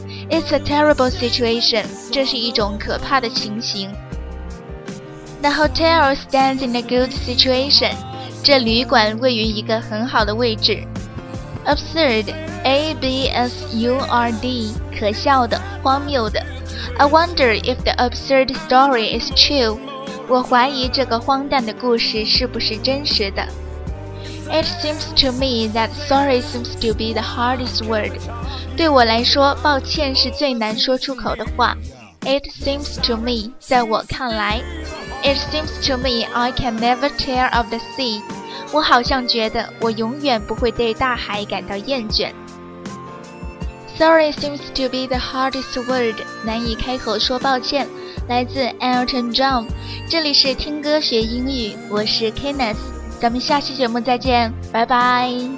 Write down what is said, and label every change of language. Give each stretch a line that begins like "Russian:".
English: It's a terrible situation.
Chinese: 这是一种可怕的情形。
English: The hotel stands in a good situation.
Chinese: 这旅馆位于一个很好的位置。Absurd, A-B-S-U-R-D, 可笑的、荒谬的。
English: I wonder if the absurd story is true.
Chinese: 我怀疑这个荒诞的故事是不是真实的。
English: It seems to me that sorry seems to be the hardest word.
Chinese: 对我来说，抱歉是最难说出口的话。
English: It seems to me, 在我看来。 It seems to me I can never tire of the sea.
Chinese: 我好像觉得我永远不会对大海感到厌倦。
English: Sorry seems to be the hardest word.
Chinese: 难以开口说抱歉。来自 Elton John. 这里是听歌学英语，我是 Kenneth。咱们下期节目再见，拜拜。